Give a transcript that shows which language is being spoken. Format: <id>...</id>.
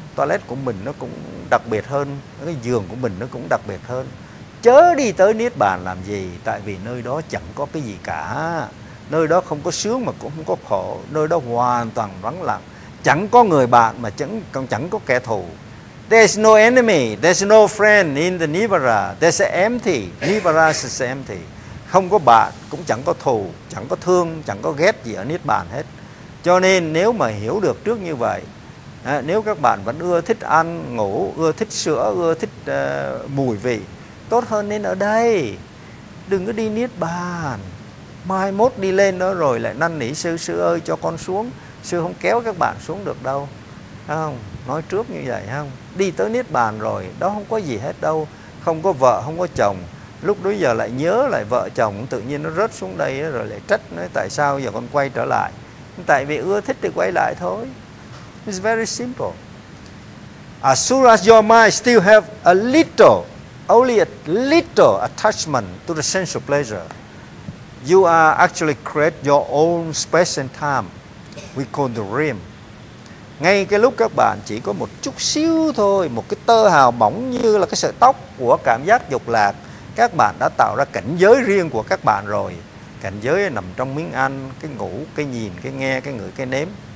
<vi>Toilet của mình nó cũng đặc biệt hơn, cái giường của mình nó cũng đặc biệt hơn. Chớ đi tới Niết Bàn làm gì, tại vì nơi đó chẳng có cái gì cả. Nơi đó không có sướng mà cũng không có khổ, nơi đó hoàn toàn vắng lặng. Chẳng có người bạn mà chẳng có kẻ thù.</vi> <en>There's no enemy, there's no friend in the Nibbara. There's empty, Nibbara is empty.</en> <vi>Không có bạn, cũng chẳng có thù, chẳng có thương, chẳng có ghét gì ở Niết Bàn hết. Cho nên nếu mà hiểu được trước như vậy, nếu các bạn vẫn ưa thích ăn, ngủ, ưa thích sữa, ưa thích mùi vị, tốt hơn nên ở đây, đừng có đi Niết Bàn. Mai mốt đi lên đó rồi lại năn nỉ sư, sư ơi cho con xuống, sư không kéo các bạn xuống được đâu. Thấy không? Nói trước như vậy không? Đi tới Niết Bàn rồi, đó không có gì hết đâu, không có vợ, không có chồng. Lúc đó giờ lại nhớ lại vợ chồng, tự nhiên nó rớt xuống đây rồi lại trách, nói tại sao giờ con quay trở lại. Tại vì ưa thích thì quay lại thôi.</vi> <en>It's very simple. As soon as your mind still have a little, only a little attachment to the sensual pleasure, you are actually create your own space and time. We call the dream.</en> <vi>Ngay cái lúc các bạn chỉ có một chút xíu thôi, một cái tơ hào mỏng như là cái sợi tóc của cảm giác dục lạc, các bạn đã tạo ra cảnh giới riêng của các bạn rồi. Cảnh giới nằm trong miếng ăn, cái ngủ, cái nhìn, cái nghe, cái ngửi, cái nếm.</vi>